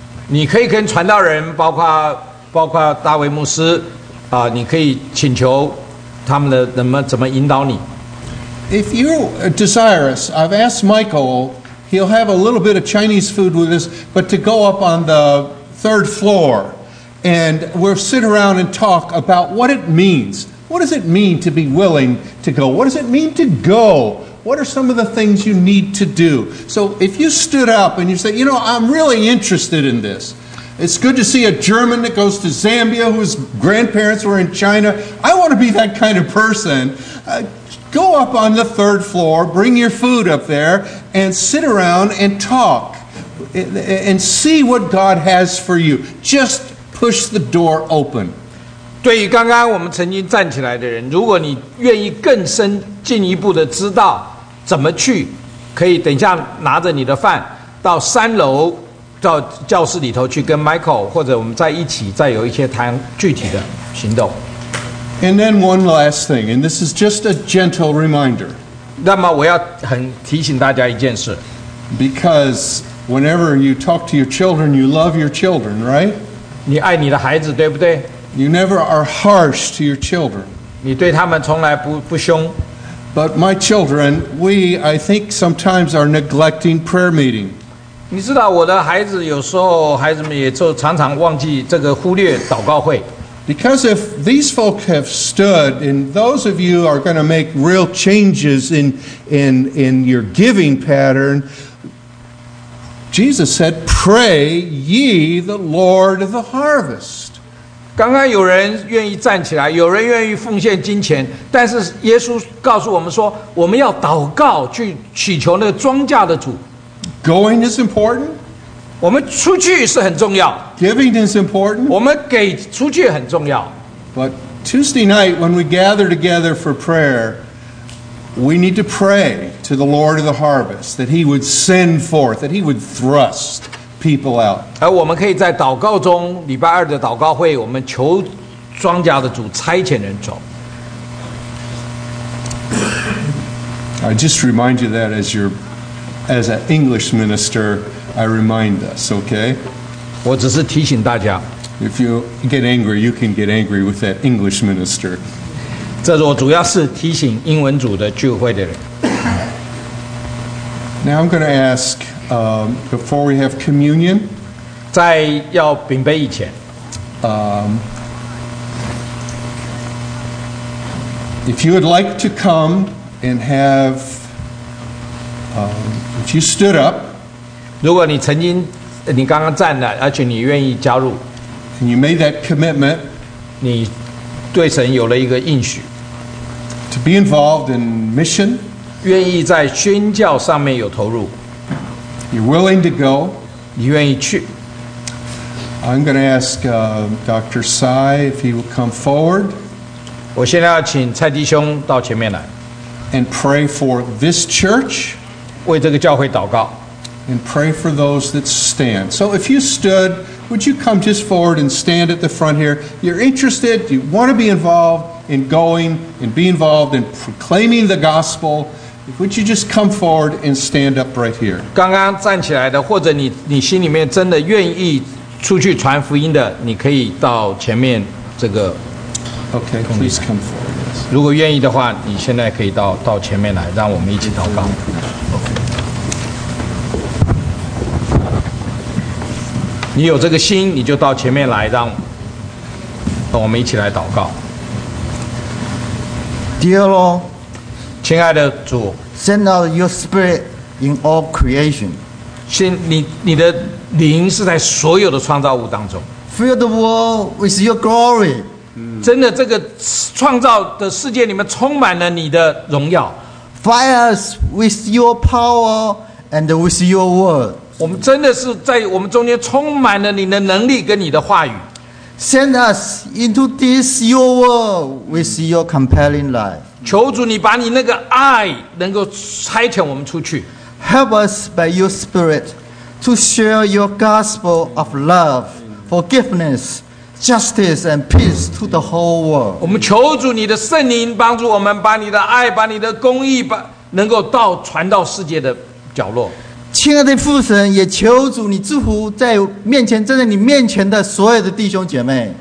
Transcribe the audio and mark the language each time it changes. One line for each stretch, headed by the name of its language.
Chinese: 你可以跟传道人，包括大卫牧师，你可以请求他们的怎么引导你。
English: If you desirous, I've asked Michael. He'll have a little bit of Chinese food with us, but to go up on the third floor, and we'll sit around and talk about what it means. What does it mean to be willing to go? What does it mean to go? What are some of the things you need to do? So if you stood up and you say, you know, I'm really interested in this. It's good to see a German that goes to Zambia whose grandparents were in China. I want to be that kind of person. Go up on the third floor, bring your food up there, and sit around and talk. And see what God has for you. Just push the door open.
Chinese: 对于刚刚我们曾经站起来的人，如果你愿意更深进一步的知道怎么去，可以等一下拿着你的饭到三楼到教室里头去跟 Michael 或者我们在一起再有一些谈具体的行动。
English: And then one last thing, and this is just a gentle reminder.
Chinese: 那么我要很提醒大家一件事。
English: Because whenever you talk to your children, you love your children, right?
Chinese: 你爱你的孩子，对不对？
English: You never are harsh to your children.
Chinese: 你对他们从来不凶。
English: But my children, we, I think, sometimes are neglecting prayer meeting.
Chinese: 你知道我的孩子有时候孩子们也就常常忘记这个忽略祷告会。
English: Because if these folk have stood, and those of you are going to make real changes in your giving pattern, Jesus said, "Pray ye the Lord of the harvest."
Chinese: 刚刚有人愿意站起来，有人愿意奉献金钱，但是耶稣告诉我们说，我们要祷告去祈求那个庄稼的主。
English: Going is important.
Chinese: 我们出去是很重要。
English: Giving is important.
Chinese: 我们给出去很重要。
English: But Tuesday night, when we gather together for prayer, we need to pray to the Lord of the harvest that He would send forth, that He would thrust people out.
Chinese: 而我们可以在祷告中，礼拜二的祷告会，我们求庄稼的主差遣人走。
English: I just remind you that as your, as an English minister. I remind us, okay?
Chinese: 我只是提醒大家。
English: If you get angry, you can get angry with that English minister.
Chinese: 这是我主要是提醒英文组的聚会的人。
English: Now I'm going to ask, before we have communion,
Chinese: 在要饼杯以前,
English: if you would like to come and have, if you stood up,
Chinese: 如果你曾经，你刚刚站了，而且你愿意加入
English: ，and you made that commitment，
Chinese: 你对神有了一个应许
English: ，to be involved in mission，
Chinese: 愿意在宣教上面有投入
English: ，you're willing to go，
Chinese: 你愿意去
English: ，I'm going to ask Dr. Tsai if he will come forward，
Chinese: 我现在要请蔡弟兄到前面来
English: ，and pray for this church，
Chinese: 为这个教会祷告。
English: And pray for those that stand. So if you stood, would you come just forward and stand at the front here? You're interested, you want to be involved in going and be involved in proclaiming the gospel. Would you just come forward and stand up right here?
Chinese: 刚刚站起来的，或者你心里面真的愿意出去传福音的，你可以到前面这个。
English: Okay, please come forward.
Chinese: 如果愿意的话，你现在可以到前面来，让我们一起祷告。你有这个心，你就到前面来，让我们一起来祷告。
English: Dear Lord,
Chinese: 亲爱的主
English: ，Send out your spirit in all creation.
Chinese: 你的灵是在所有的创造物当中。
English: Fill the world with your glory.
Chinese: 真的，这个创造的世界里面充满了你的荣耀。
English: Fire us with your power and with your word.
Chinese: 我们真的是在我们中间充满了你的能力跟你的话语。
English: Send us into this your world with your compelling life.
Chinese: 求主你把你那个爱能够差遣我们出去。
English: Help us by your spirit to share your gospel of love, forgiveness, justice and peace to the whole world.
Chinese: 我们求主你的圣灵帮助我们把你的爱把你的公义能够传到世界的角落。亲爱的父神，也求主你祝福在面前站在你面前的所有的弟兄姐妹。